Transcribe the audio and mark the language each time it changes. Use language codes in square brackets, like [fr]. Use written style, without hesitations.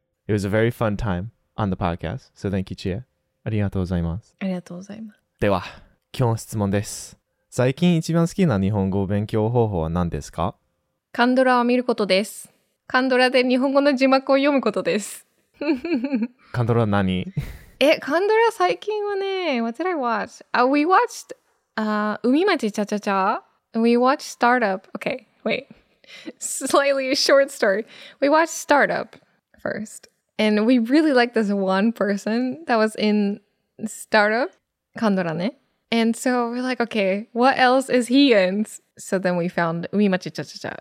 [en] It was a very fun time on the podcast. So thank you, Chie. [ja] ありがとうございます。では、今日の質問です。最近一番好きな日本語勉強方法は何ですか？カンドラを見ることです。カンドラで日本語の字幕を読むことです。カンドラ何？え、カンドラ最近はね、 [en] What did I watch? We watched 海町チャチャチャ。 We watched Startup. Okay, wait. Slightly short story. We watched Startup first. And we really liked this one person that was in Startup. [ja] Kandora ne. [en] And so we're like, okay, what else is he in? So then we found Uimachi Cha-Cha-Cha.